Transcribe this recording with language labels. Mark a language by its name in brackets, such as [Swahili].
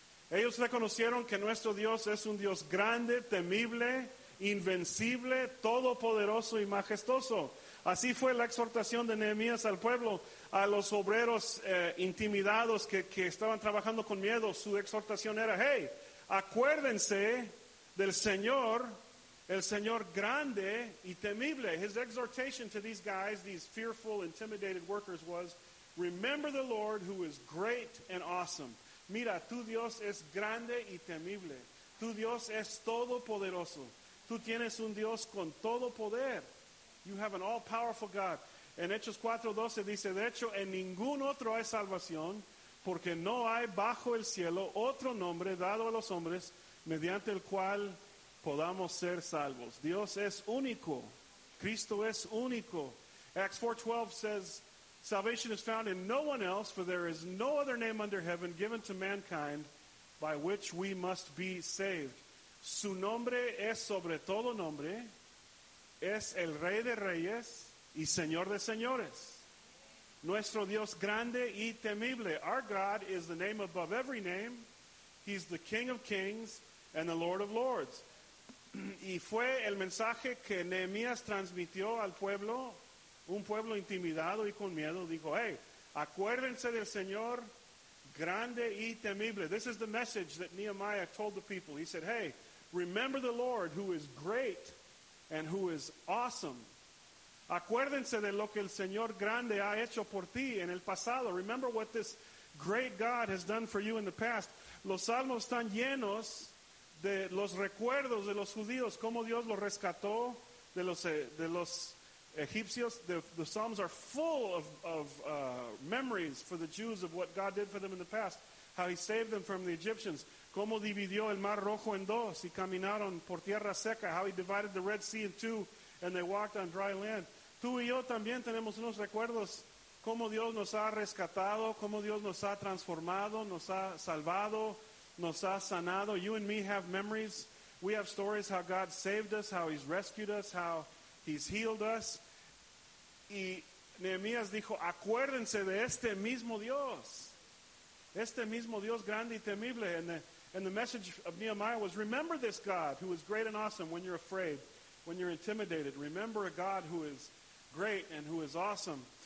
[Spanish] Ellos reconocieron que nuestro Dios es un Dios grande, temible, invencible, todopoderoso y majestuoso. Así fue la exhortación de Nehemías al pueblo, a los obreros intimidados que estaban trabajando con miedo. Su exhortación era, hey, acuérdense del Señor, el Señor grande y temible. [English] His exhortation to these guys, these fearful, intimidated workers, was, remember the Lord who is great and awesome. [Spanish] Mira, tu Dios es grande y temible. Tu Dios es todopoderoso. Tú tienes un Dios con todo poder. [English] You have an all-powerful God. [Spanish] En Hechos 4:12 dice, de hecho, en ningún otro hay salvación, porque no hay bajo el cielo otro nombre dado a los hombres mediante el cual podamos ser salvos. Dios es único. Cristo es único. [English] Acts 4:12 says, salvation is found in no one else, for there is no other name under heaven given to mankind by which we must be saved. [Spanish] Su nombre es sobre todo nombre. Es el Rey de Reyes y Señor de Señores. Nuestro Dios grande y temible. [English] Our God is the name above every name. He's the King of Kings and the Lord of Lords. [Spanish] Y fue el mensaje que Nehemías transmitió al pueblo, un pueblo intimidado y con miedo. Dijo, hey, acuérdense del Señor grande y temible. [English] This is the message that Nehemiah told the people. He said, hey, remember the Lord who is great and who is awesome. [Spanish] Acuérdense de lo que el Señor grande ha hecho por ti en el pasado. [English] Remember what this great God has done for you in the past. [Spanish] Los salmos están llenos de los recuerdos de los judíos, cómo Dios los rescató de los egipcios. [English] The psalms are full of memories for the Jews of what God did for them in the past. How he saved them from the Egyptians. [Spanish] Cómo dividió el Mar Rojo en dos y caminaron por tierra seca. [English] How he divided the Red Sea in two and they walked on dry land. [Spanish] Tú y yo también tenemos unos recuerdos. Cómo Dios nos ha rescatado. Cómo Dios nos ha transformado. Nos ha salvado. Nos ha sanado. [English] You and me have memories. We have stories how God saved us. How he's rescued us. How he's healed us. [Spanish] Y Nehemías dijo, acuérdense de este mismo Dios. Este mismo Dios grande y temible. [English] And the message of Nehemiah was, remember this God who is great and awesome when you're afraid, when you're intimidated. Remember a God who is great and who is awesome.